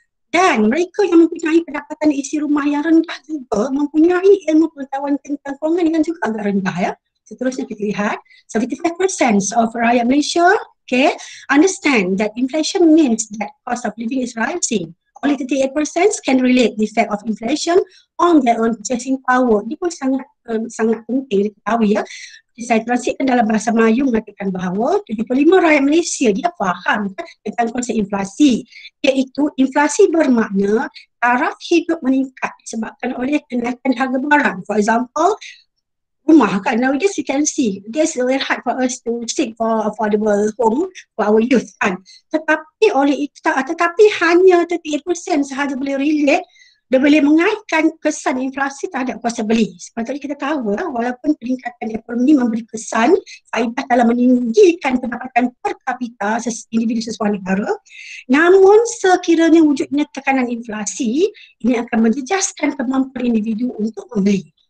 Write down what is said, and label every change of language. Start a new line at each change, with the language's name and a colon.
Malay: Dan mereka yang mempunyai pendapatan isi rumah yang rendah juga mempunyai ilmu pengetahuan tentang kewangan yang juga agak rendah ya. Seterusnya kita lihat,
English: 75% of rakyat Malaysia understand that inflation means that cost of living is rising. Only 38% can relate the effect of inflation on their own purchasing power.
Malay: Ini pun sangat sangat penting diketahui ya. Saya transitkan dalam bahasa Melayu mengatakan bahawa 75 rakyat Malaysia dia faham tentang konsep inflasi, iaitu inflasi bermakna taraf hidup meningkat sebabkan oleh kenaikan harga barang.
English: For example,
Malay: rumah kan,
English: now just you can see, it's really hard for us to seek for affordable home for our youth kan.
Malay: Tetapi oleh itu, tetapi hanya 38% sahaja boleh relate, dia boleh mengaitkan kesan inflasi terhadap kuasa beli. Sepatutnya kita tahu lah, walaupun peningkatan ekonomi memberi kesan faedah dalam meninggikan pendapatan per kapita individu sesuatu negara, namun sekiranya wujudnya tekanan inflasi, ini akan menjejaskan kemampuan individu untuk membeli.